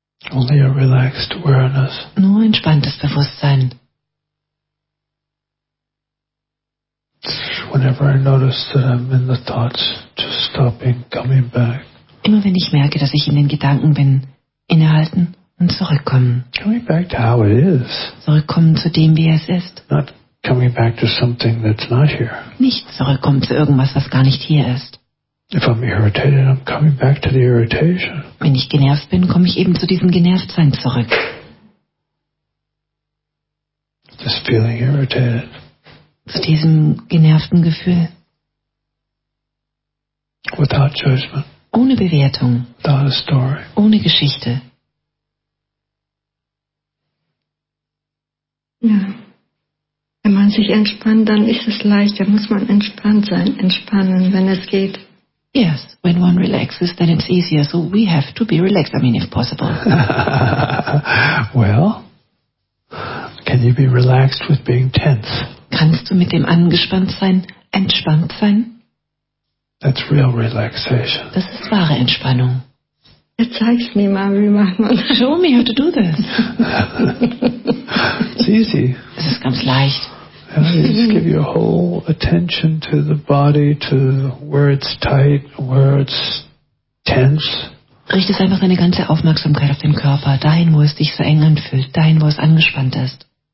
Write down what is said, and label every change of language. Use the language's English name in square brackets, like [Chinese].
[English] Only a relaxed awareness. [German] Nur entspanntes Bewusstsein. [English] whenever I notice that I'm in the thoughts, just stopping, coming back. [German] Immer wenn ich merke, dass ich in den Gedanken bin, innehalten und zurückkommen. [English] Coming back to how it is. [German] Zurückkommen zu dem, wie es ist. [English] Not coming back to something that's not here. [German] Nicht zurückkommen zu irgendwas, was gar nicht hier ist. [English] If I'm irritated, I'm coming back to the irritation. [German] Wenn ich genervt bin, komme ich eben zu diesem Genervtsein zurück. [English] Just feeling irritated. [German] Zu diesem genervten Gefühl. [English] Without judgment. [German] Ohne Bewertung. [English] Without a story. [German] Ohne Geschichte. Ja. Wenn man sich entspannt, dann ist es leicht. Da muss man entspannt sein. Entspannen, wenn es geht. [English] Yes, when one relaxes, then it's easier. So we have to be relaxed, I mean, if possible. Well, can you be relaxed with being tense? [German] Kannst du mit dem angespannt sein, entspannt sein? [English] That's real relaxation. [German] Das ist wahre Entspannung. Zeig's mir mal, wie macht man das? [English] Show me how to do this. It's easy. [German] Es ist ganz leicht. [English] You just give your whole attention to the body, to where it's tight, where it's tense. [German] Richtest einfach deine ganze Aufmerksamkeit auf den Körper, dahin, wo es dich so eng anfühlt, dahin, wo es angespannt ist.